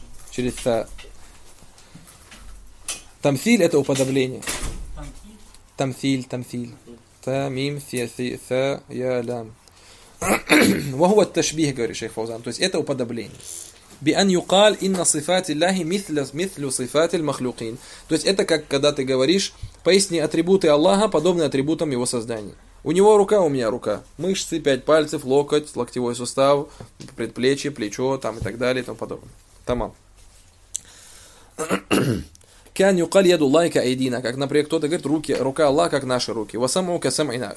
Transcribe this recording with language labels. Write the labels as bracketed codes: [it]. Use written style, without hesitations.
[ru] Через та. Тамфиль это уподобление. Тамфиль. Та, мим, фи, си, са, я, лям. [ar] وهو التشبيه [ru] говорит шейх Фаузан, то есть это уподобление. [ar] بأن يقال إن صفات الله مثل صفات المخلوقين. [ru] То есть это как когда ты говоришь: поясни атрибуты Аллаха подобные атрибутам его создания. У него рука, у меня рука. Мышцы, пять пальцев, локоть, локтевой сустав, предплечье, плечо, там и так далее, и тому подобное. Тамам. [ar] Кан юкал яду Аллахи ка айдина, [ru] как, например, кто-то говорит, руки, рука Аллаха, как наши руки. [ar] Васаму ка самайна.